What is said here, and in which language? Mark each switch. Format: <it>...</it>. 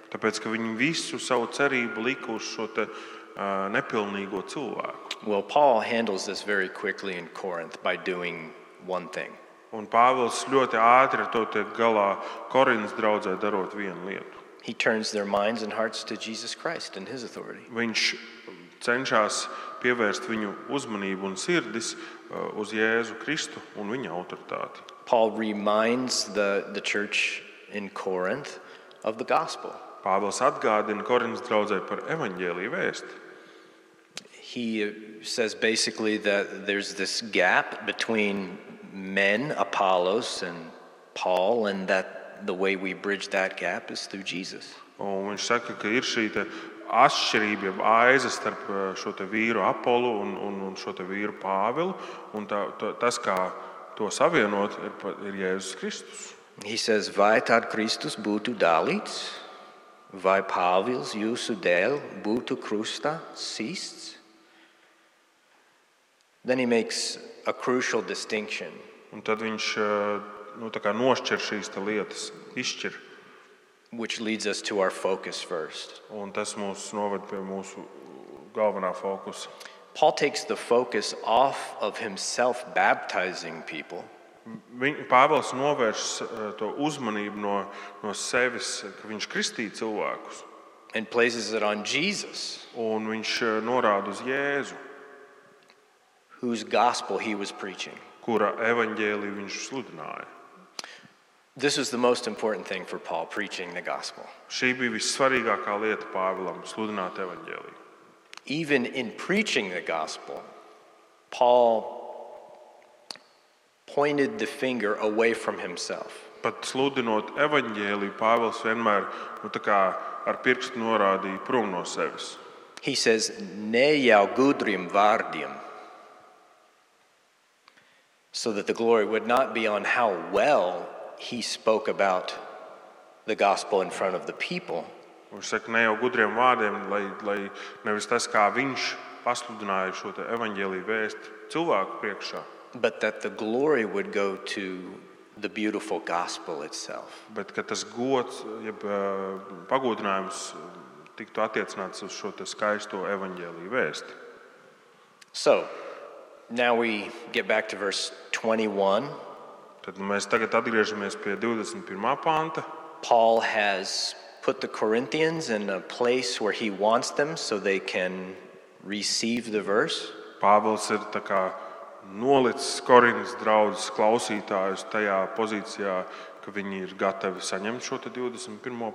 <lv>Tāpēc, ka viņi visu savu cerību lika uz šo te, nepilnīgo cilvēku.</lv> <en>Well, Paul handles this very quickly in Corinth by doing one thing.</en> <lv>Un Pāvils ļoti ātri to te galā Korintas draudzē darot vienu lietu.</lv> <en>He turns their minds and hearts to Jesus Christ and his authority.</en> <lv>Viņš cenšas pievērst viņu uzmanību un sirdis uz Jēzu Kristu un viņa autoritāti.</lv> <en>Paul reminds the church in Corinth of the gospel.</en> <lv>Pāvils atgādina Korintas draudzē par evaņģēliju vēsti.</lv> <en>He says basically that there's this gap between men, Apollos and Paul, and that the way we bridge that gap is through Jesus.</en> <lv>Un viņš saka, ka ir šī te atšķirība jeb aiza starp šo te vīru Apolu un šo te vīru Pāvilu, un tas, kā to savienot, ir Jēzus Kristus.</lv> <en>He says,</en> <lv>vai tad Kristus būtu dalīts, vai Pāvils jūsu dēl būtu krustā sists?</lv> <en>Then he makes a crucial distinction.</en> <lv>Un tad viņš, nu, tā kā nošķir šīs te lietas, izšķir.</lv> <en>Which leads us to our focus first.</en> <lv>Un tas mūs novad pie mūsu galvenā fokusa.</lv> <en>Paul takes the focus off of himself baptizing people.</en> <lv>Pāvils novērš to uzmanību no sevis, ka viņš kristī cilvēkus.</lv> <en>And places it on Jesus.</en> <lv>Un viņš norāda uz Jēzu.</lv> <en>Whose gospel he was preaching.</en> <lv>Kura evaņģēliju viņš sludināja.</lv> <en>This is the most important thing for Paul, preaching the gospel.</en> <lv>Šī bija vissvarīgākā lieta Pāvilam, sludināt evaņģēliju.</lv> <en>Even in preaching the gospel, Paul pointed the finger away from himself.</en> <lv>Pat sludinot evaņģēliju, Pāvils vienmēr, nu, tā kā ar pirkstu norādīja prom no sevis.</lv> <en>He says,</en> <lv>ne jau gudriem vārdiem,</lv> <en>so that the glory would not be on how well he spoke about the gospel in front of the people.</en> <lv>Un saka, ne jau gudriem vārdiem, lai nevis tas, kā viņš pasludināja šo te evaņģēliju vēstu cilvēku priekšā.</lv> <en>But that the glory would go to the beautiful gospel itself.</en> <lv>Bet ka tas gods, jeb pagodinājums tiktu attiecināts uz šo te skaisto evaņģēliju vēstu.</lv> <en>So, now we get back to verse 21.</en> <lv>Tad mēs tagad atgriežamies pie 21. Panta.</lv> <en>Paul has put the Corinthians in a place where he wants them so they can receive the verse.</en> <lv>Pāvils ir tā kā nolicis Korintas draudzes klausītājus tajā pozīcijā, ka viņi ir gatavi saņemt šo te 21.</lv>